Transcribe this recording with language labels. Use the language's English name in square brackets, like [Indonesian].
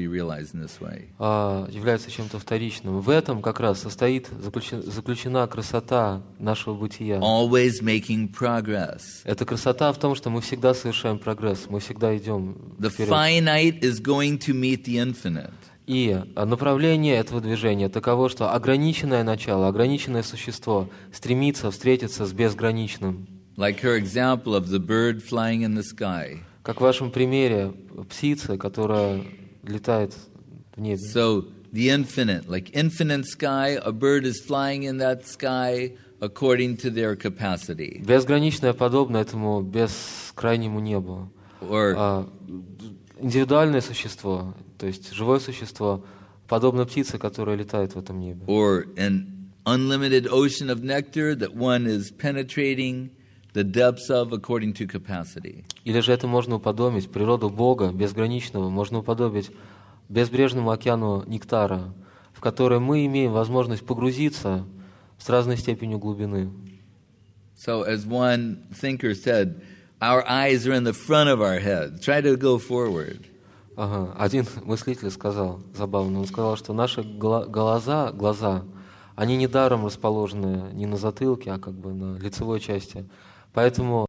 [Russian] Является чем-то вторичным. В этом как раз состоит заключена красота нашего бытия. [English] Always making progress. [Russian] Это красота в том, что мы всегда совершаем прогресс, мы всегда идем вперед. [English] The finite is going to meet the infinite. [Russian] И направление этого движения таково, что ограниченное начало, ограниченное существо стремится встретиться с безграничным. [English] Like her example of the bird flying in the sky. [Russian] Как в вашем примере птица, которая летает в небе. [English] So the infinite, like infinite sky, a bird is flying in that sky according to their capacity. [Russian] Безграничное подобно этому бескрайнему небу. [English] Or [Russian] индивидуальное существо. То есть живое существо, подобно птице, которая летает в этом небе. [English] Or an unlimited ocean of nectar that one is penetrating the depths of according to capacity. [Russian] Или же это можно уподобить природу Бога безграничного, можно уподобить безбрежному океану нектара, в который мы имеем возможность погрузиться с разной степенью глубины. [English] So as one thinker said, our eyes are in the front of our head. Try to go forward. Ага. [Russian] Один мыслитель сказал, забавно, он сказал, что наши глаза, они недаром расположены не на затылке, а как бы на лицевой части. Поэтому